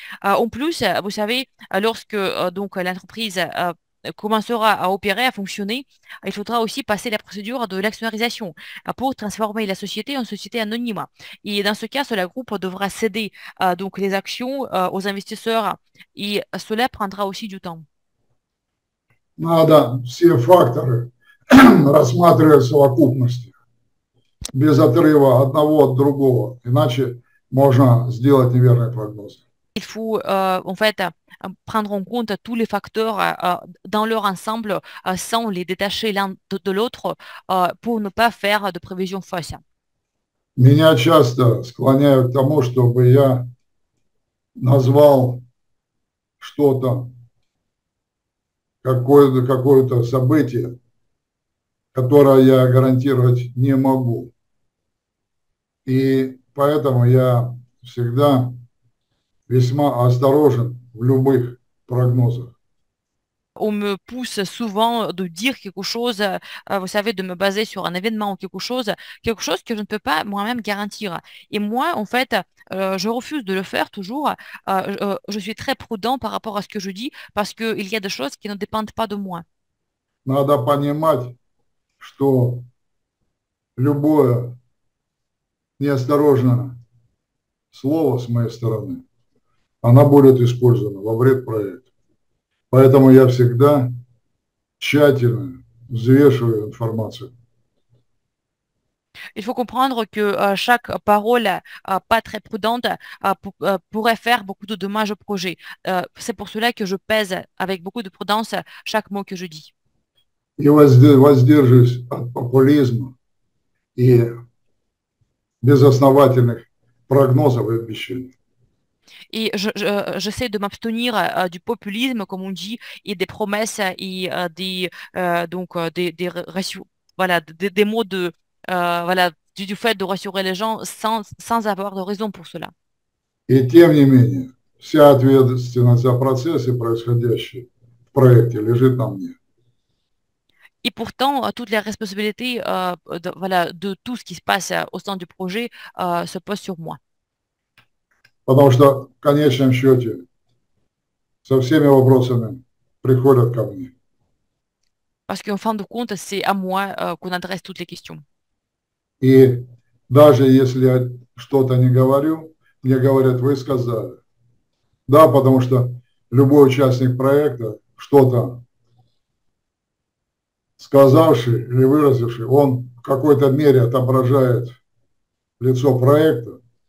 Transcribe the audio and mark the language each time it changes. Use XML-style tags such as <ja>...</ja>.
<fr>En plus, vous savez, lorsque donc l'entreprise commencera à opérer, à fonctionner, il faudra aussi passer la procédure de l'actionnarisation pour transformer la société en société anonyme. Et dans ce cas, le groupe devra céder donc les actions aux investisseurs et cela prendra aussi du temps.</fr> <ru>Надо все факторы рассматривать в совокупности, без отрыва одного от другого, иначе можно сделать неверный прогноз.</ru> <fr>Il faut en fait prendre en compte tous les facteurs dans leur ensemble sans les détacher l'un de l'autre pour ne pas faire de prévision fausse.</fr> <ru>Меня часто склоняют к тому, чтобы я назвал что-то. Какое-то событие, которое я гарантировать не могу. И поэтому я всегда весьма осторожен в любых прогнозах.</ru> <fr>On me pousse souvent de dire quelque chose, vous savez, de me baser sur un événement ou quelque chose que je ne peux pas moi-même garantir. Et moi, en fait, je refuse de le faire toujours. Je suis très prudent par rapport à ce que je dis parce qu'il y a des choses qui ne dépendent pas de moi.</fr> <ru>Надо понимать, что любое неосторожное слово с моей стороны, оно будет использовано во вред проекту. Поэтому я всегда тщательно взвешиваю информацию.</ru> <fr>Il faut comprendre que chaque parole pas très prudente pourrait faire beaucoup de dommages au projet. C'est pour cela que je pèse avec beaucoup de prudence chaque mot que je dis.</fr> <ru>И воздержусь от популизма и безосновательных прогнозов и обещаний.</ru> <fr>Et j'essaie de m'abstenir du populisme, comme on dit, et des promesses et des donc des ratios, voilà, des mots de voilà, du fait de rassurer les gens sans avoir de raison pour cela.</fr> <ru>И тем не менее, вся ответственность за процессы, происходящие в проекте, лежит на мне.</ru> <fr>Et pourtant, toutes les responsabilités voilà, de tout ce qui se passe au sein du projet se posent sur moi.</fr> <ru>Потому что, в конечном счете, со всеми вопросами приходят ко мне.</ru> <fr>Parce qu'en fin de compte, c'est à moi qu'on adresse toutes les questions.</fr> <ru>И даже если я что-то не говорю, мне говорят, вы сказали. Да, потому что любой участник проекта, что-то сказавший или выразивший, он в какой-то мере отображает лицо проекта.</ru>